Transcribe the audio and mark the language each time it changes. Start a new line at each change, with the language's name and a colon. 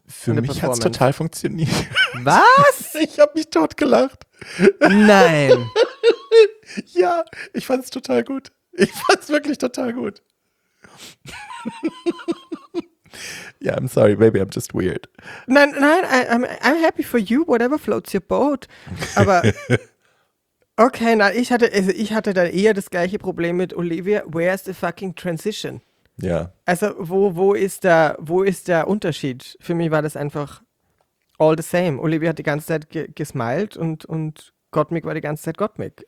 German: Für mich hat es total funktioniert. Was? Ich habe mich totgelacht. Nein. Ja, ich fand es total gut. Ich fand es wirklich total gut.
English: Ja, I'm sorry, maybe I'm just weird. Nein, I'm happy for you, whatever floats your boat.
German: Aber, okay, nein, ich hatte dann eher das gleiche Problem mit Olivia,
English: where's the fucking transition?
German: Ja. Yeah. Also, wo ist der Unterschied? Für mich war das einfach
English: all the same.
German: Olivia hat die ganze Zeit gesmiled und Gottmik war die ganze Zeit Gottmik.